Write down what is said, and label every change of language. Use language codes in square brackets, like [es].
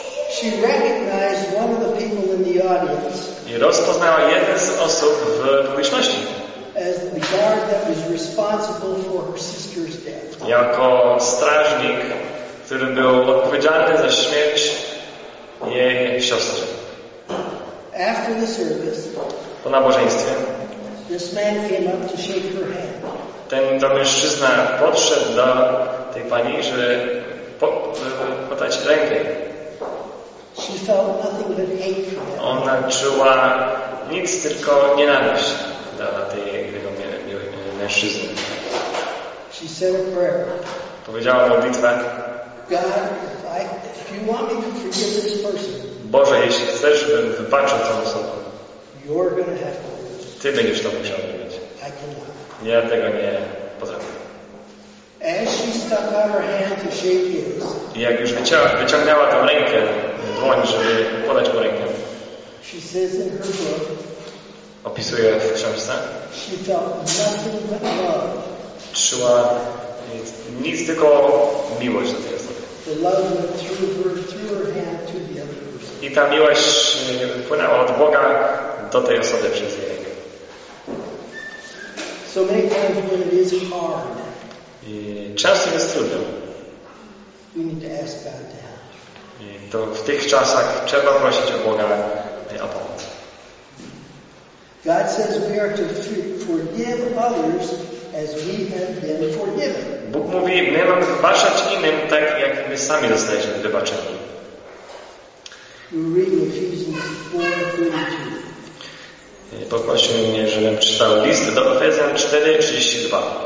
[en] She recognized one of the people in the audience. [pl] I rozpoznała jeden z osób w publiczności. [en] As the guard that was responsible for her sister's death. [pl] Jako strażnik, który był odpowiedzialny za śmierć jej siostry. [en] After the service. [pl] Po nabożeństwie. [en] This man came up to shake her hand. [pl] Ten to mężczyzna podszedł do tej pani, żeby podać rękę. [en] felt nothing but hate for him. [pl] Ona czuła nic, tylko nienawiść dla tej mężczyzny. [en] She said a prayer. [pl] Powiedziała modlitwę. [en] God, if you want me to forgive this person. [pl] Boże, jeśli chcesz, bym wybaczył tą osobę. [en] You're gonna have to. [pl] Ty będziesz to musiał zrobić. [en] I cannot. [pl] Ja tego nie potrafię. [en] As she stuck out her hand to shake his. [pl] I jak już wyciągnęła tą rękę, dłoń, żeby podać mu rękę. [en] She says in her book. [pl] Opisuje w książce. [en] She felt nothing but love. [pl] Czuła nic, tylko miłość do tej osoby. [en] The love went through her, hand to the other person. [pl] I ta miłość płynęła od Boga do tej osoby przez jej rękę. [en] So many times when it is hard. [pl] I często jest trudno. [en] We need to ask God to help. [pl] I to w tych czasach trzeba prosić o Boga o pomoc. [en] God says we are to forgive others as we have been forgiven. [pl] Bóg mówi, my mamy wybaczać innym tak, jak my sami zostaliśmy wybaczeni. [en] We read in Ephesians 4:32. [pl] Poprosił mnie, żebym czytał list do Efezjan 4:32.